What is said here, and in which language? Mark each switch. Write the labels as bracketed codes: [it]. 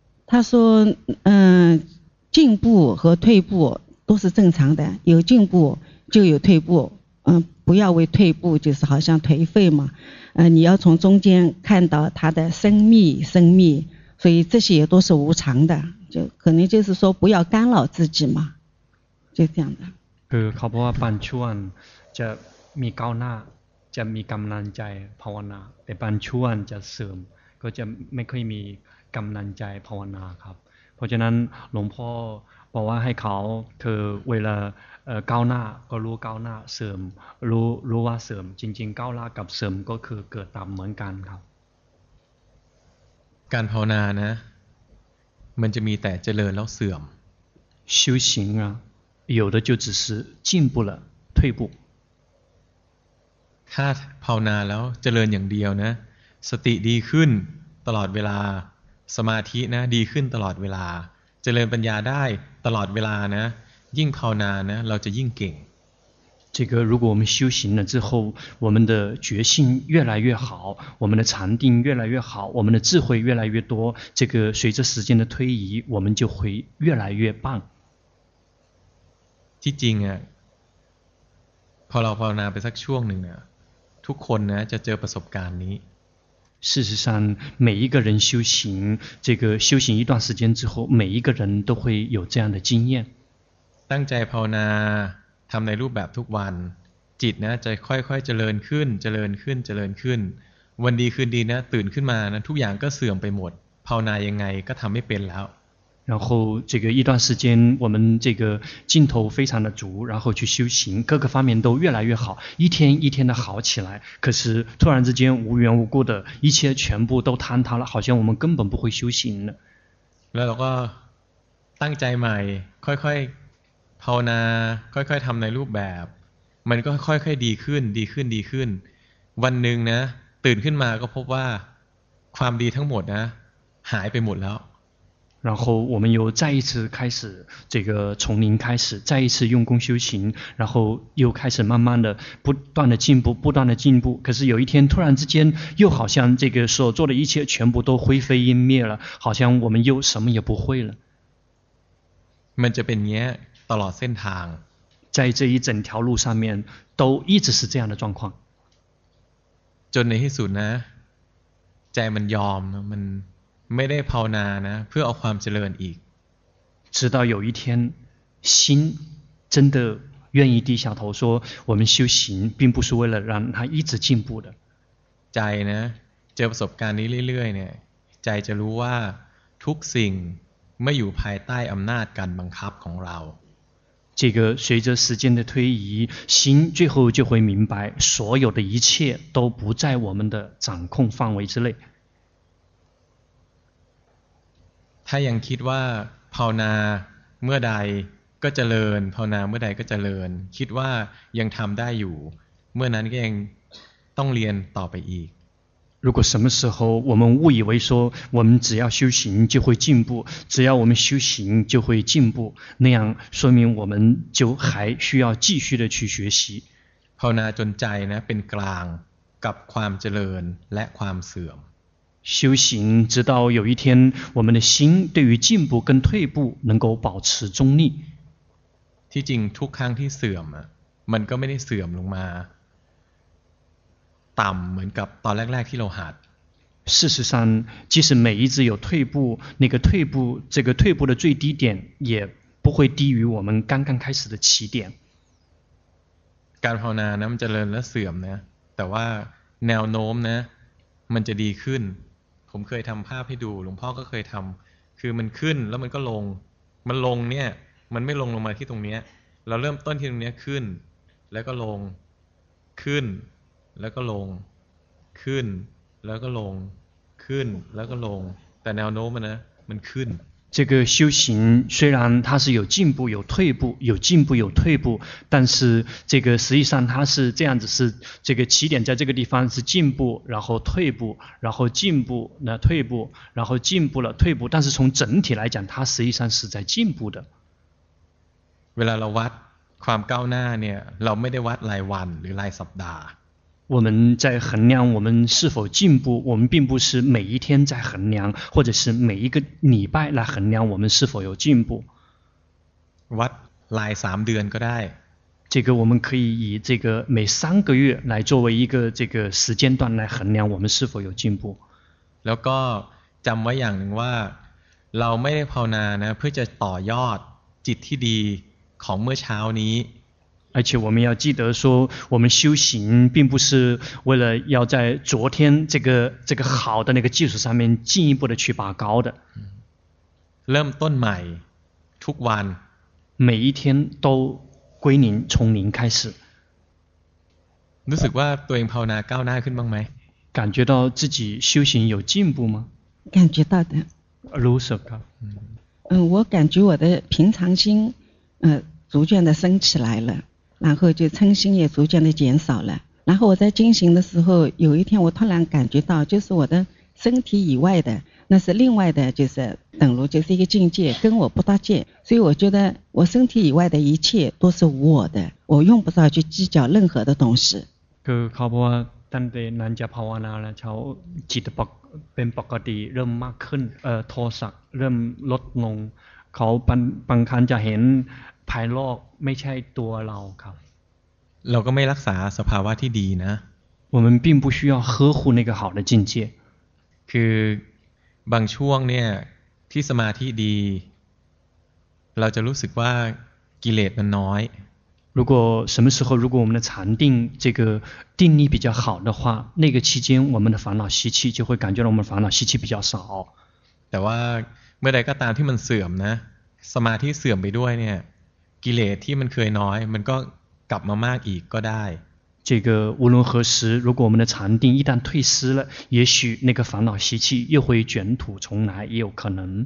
[zh] 他说进步和退步都是正常的有进步就有退步不要为退步，就是好像颓废嘛。你要从中间看到它的生灭，生灭，所以这些也都是无常的，就可能就是说不要干扰自己嘛，就这样的。 [th] คือเขาบอกว่าบางช่วงจะมีก้าวหน้าจะมีกำลังใจภาวนาแต่บางช่วงจะเสื่อมก็จะไม่ค่อยมีกำลังใจภาวนาครับเพราะฉะนั้นหลวงพ่อบอกว่าให้เขาคือเวลาก้าวหน้าก็รู้ก้าวหน้าเสื่อมรู้ว่าเสื่อมจริงๆก้าวหน้ากับเสื่อมก็คือเกิดตามเหมือนกันครับ การภาวนานะมันจะมีแต่เจริญแล้วเสื่อม [zh] 修行啊有的就只是进步了退步 [th] ถ้าภาวนาแล้วเจริญอย่างเดียวนะสติดีขึ้นตลอดเวลาสมาธินะดีขึ้นตลอดเวลาเจริญปัญญาได้ตลอดเวลานะยิ่งภาวนานะเราจะยิ่งเก่ง [zh] 这个如果我们修行了之后我们的觉性越来越好我们的禅定越来越好我们的智慧越来越多这个随着时间的推移我们就会越来越棒 [th] ที่จริงอ่ะพอเราภาวนาไปสักช่วงหนึ่งเนี่ยทุกคนนะจะเจอประสบการณ์นี้ [zh] 事实上每一个人修行这个修行一段时间之后每一个人都会有这样的经验 [th] ตั้งใจภาวนาทำในรูปแบบทุกวันจิตนะจะค่อยๆเจริญขึ้นเจริญขึ้นเจริญขึ้นวันดีคืนดีนะตื่นขึ้นมานะทุกอย่างก็เสื่อมไปหมดภาวนายังไงก็ทำไม่เป็นแล้ว [zh] 然后这个一段时间我们这个劲头非常的足然后去修行各个方面都越来越好一天一天的好起来可是突然之间无缘无故的一切全部都坍塌了好像我们根本不会修行了 [th] แล้วเราก็ตั้งใจใหม่ค่อยๆภาวนาค่อยๆทำในรูปแบบมันก็ค่อยๆดีขึ้นดีขึ้นดีขึ้นวันหนึ่งนะตื่นขึ้นมาก็พบว่าความดีทั้งหมดนะหายไปหมดแล้ว [zh] 然后我们又再一次开始这个从零开始再一次用功修行然后又开始慢慢的不断的进步不断的进步可是有一天突然之间又好像这个所做的一切全部都灰飞烟灭了好像我们又什么也不会了 [th] มันจะเป็นเนี้ยตลอดเส้นทาง [zh] 在这一整条路上面都一直是这样的状况 [th] จนในที่สุดนะใจมันยอมมันไม่ได้ภาวนานะเพื่อเอาความเจริญอีก [zh] 直到有一天心真的愿意低下头说我们修行并不是为了让他一直进步的 [th] ใจนะเจอประสบการณ์นี้เรื่อยๆเนี่ยใจจะรู้ว่าทุกสิ่งไม่อยู่ภายใต้อำนาจการบังคับของเรา [zh] 这个随着时间的推移心最后就会明白所有的一切都不在我们的掌控范围之内 [th] ถ้ายังคิดว่าภาวนาเมื่อใดก็เจริญภาวนาเมื่อใดก็เจริญคิดว่ายังทำได้อยู่เมื่อนั้นก็ยังต้องเรียนต่อไปอีก [zh] 如果什么时候我们误以为说我们只要修行就会进步只要我们修行就会进步那样说明我们就还需要继续的去学习 [th] ภาวนาจนใจนะเป็นกลางกับความเจริญและความเสื่อม [zh] 修行直到有一天我们的心对于进步跟退步能够保持中立 [th] ที่จริงทุกครั้งที่เสื่อมมันก็ไม่ได้เสื่อมลงมาต่ำเหมือนกับตอนแรกๆที่เราหัด [zh] 事实上即使每一次有退步那个退步这个退步的最低点也不会低于我们刚刚开始的起点 [th] การภาวนานะมันเจริญและเสื่อมนะแต่ว่าแนวโน้มนะมันจะดีขึ้นผมเคยทำภาพให้ดูหลวงพ่อก็เคยทำคือมันขึ้นแล้วมันก็ลงมันลงเนี่ยมันไม่ลงลงมาที่ตรงเนี้ยเราเริ่มต้นที่ตรงเนี้ยขึ้นแล้วก็ลงขึ้นแล้วก็ลงขึ้นแล้วก็ลงขึ้นแล้วก็ลงแต่แนวโน้มนะมันขึ้น [zh] 这个修行虽然它是有进步有退步有进步有退步但是这个实际上它是这样子是这个起点在这个地方是进步然后退步然后进步那退步然后进步了退步但是从整体来讲它实际上是在进步的 [th] เวลาเราวัดความก้าวหน้าเนี่ยเราไม่ได้วัดรายวันหรือรายสัปดาห์ [zh] 我们在衡量我们是否进步我们并不是每一天在衡量或者是每一个礼拜来衡量我们是否有进步 [th] วัดลาย3เดือนก็ได้ [zh] 这个我们可以以这个每三个月来作为一个这个时间段来衡量我们是否有进步。 [th] แล้วก็จำไว้อย่างหนึ่งว่าเราไม่ได้ภาวนานะเพื่อจะต่อยอดจิตที่ดีของเมื่อเช้านี้ [zh] 而且我们要记得说我们修行并不是为了要在昨天这个好的那个技术上面进一步的去拔高的 [th] เริ่มต้นใหม่ทุกวัน [zh] 每一天都归零从零开始 [th] รู้สึกว่าตัวเองภาวนาก้าวหน้าขึ้นบ้างไหม [zh] 感觉到自己修行有进步吗感觉到的 [th] รู้สึกครับ [zh] 我感觉我的平常心逐渐的升起来了然后就嗔心也逐渐的减少了然后我在进行的时候有一天我突然感觉到就是我的身体以外的那是另外的就是等如就是一个境界跟我不搭界所以我觉得我身体以外的一切都是我的我用不着去计较任何的东西 [th] คือเขาบอกว่าตั้งแต่นั่งภาวนาแล้วเขาจิตเป็นปกติเริ่มมากขึ้นโทสะเริ่มลดลงเขาบางครั้งจะเห็นภายนอกไม่ใช่ตัวเราครับ เราก็ไม่รักษาสภาวะที่ดีนะ [zh] 我们并不需要呵护那个好的境界 [th] คือบางช่วงเนี่ยที่สมาธิดีเราจะรู้สึกว่ากิเลสมันน้อย [zh] 如果什么时候如果我们的禅定这个定力比较好的话那个期间我们的烦恼习气就会感觉到我们烦恼习气比较少 [th] แต่ว่าเมื่อใดก็ตามที่มันเสื่อมนะสมาธิเสื่อมไปด้วยเนี่ยกิเลสที่มันเคยน้อยมันก็กลับมามากอีกก็ได้ [zh] 这个无论何时如果我们的禅定一旦退失了也许那个烦恼习气又会卷土重来也有可能